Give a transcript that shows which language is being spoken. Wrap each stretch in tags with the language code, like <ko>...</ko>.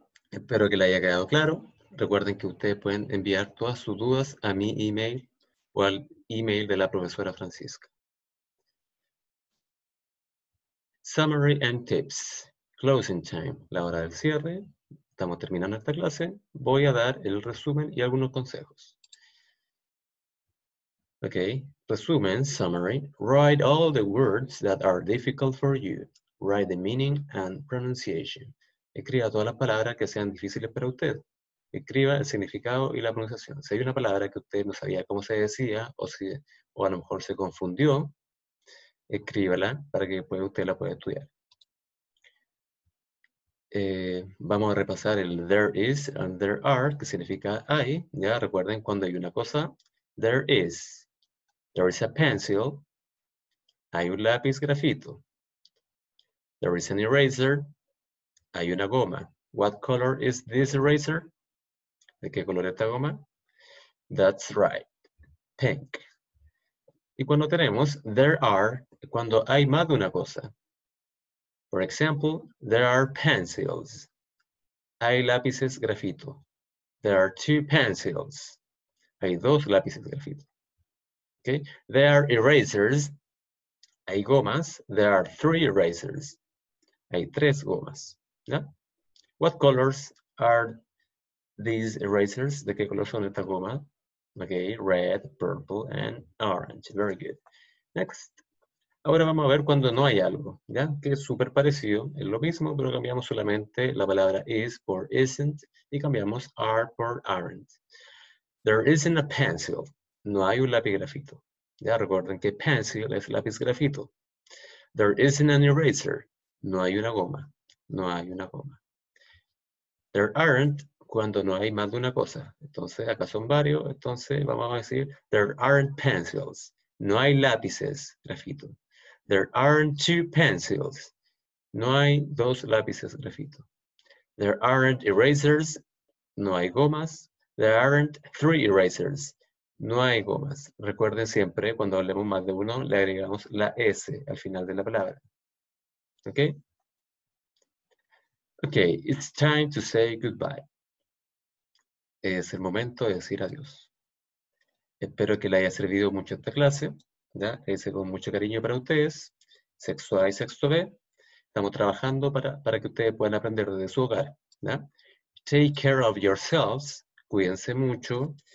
<es>Espero que le haya quedado claro. Recuerden que ustedes pueden enviar todas sus dudas a mi email o al email de la profesora Francisca.</es> <en>Summary and tips. Closing time.</en> <es>La hora del cierre. Estamos terminando esta clase. Voy a dar el resumen y algunos consejos.</es> <en>Ok,</en> <es>resumen,</es> <en>summary, write all the words that are difficult for you. Write the meaning and pronunciation.</en> <es>Escriba todas las palabras que sean difíciles para usted. Escriba el significado y la pronunciación. Si hay una palabra que usted no sabía cómo se decía o a lo mejor se confundió, escríbala para que después usted la pueda estudiar. Vamos a repasar el</es> <en>there is and there are,</en> <es>que significa hay. Ya recuerden, cuando hay una cosa,</es> <en>there is a pencil,</en> <es>hay un lápiz grafito,</es> <en>there is an eraser,</en> <es>hay una goma.</es> <en>What color is this eraser?</en> <es>¿De qué color esta goma?</es> <en>That's right, pink.</en> <es>Y cuando tenemos</es> <en>there are,</en> <es>cuando hay más de una cosa.</es> <en>For example, there are pencils.</en> <es>Hay lápices grafito.</es> <en>There are two pencils.</en> <es>Hay dos lápices grafito. Okay.</es> <en>There are erasers.</en> <es>Hay gomas.</es> <en>There are three erasers.</en> <es>Hay tres gomas. ¿Ya?</es> <en>What colors are these erasers?</en> <es>¿De qué color son estas gomas?</es> <en>Okay, red, purple, and orange. Very good. Next.</en> <es>Ahora vamos a ver cuando no hay algo, ¿ya? Que es súper parecido, es lo mismo, pero cambiamos solamente la palabra is por isn't y cambiamos are por aren't.</es> <en>There isn't a pencil.</en> <es>No hay un lápiz grafito. Ya recuerden que pencil es lápiz grafito.</es> <en>There isn't an eraser.</en> <es>No hay una goma. No hay una goma.</es> <en>There aren't</en> <es>cuando no hay más de una cosa. Entonces, acá son varios, entonces vamos a decir</es> <en>there aren't pencils.</en> <es>No hay lápices grafito.</es> <en>There aren't two pencils.</en> <es>No hay dos lápices grafito.</es> <en>There aren't erasers.</en> <es>No hay gomas.</es> <en>There aren't three erasers.</en> <es>No hay gomas. Recuerden siempre, cuando hablemos más de uno, le agregamos la S al final de la palabra. ¿Ok?</es> <en>Ok, it's time to say goodbye.</en> <es>Es el momento de decir adiós. Espero que le haya servido mucho esta clase. ¿Ya? Ese con mucho cariño para ustedes, sexto A y sexto B. Estamos trabajando para que ustedes puedan aprender desde su hogar.</es> <en>¿Ya? Take care of yourselves,</en> <es>cuídense mucho.</es>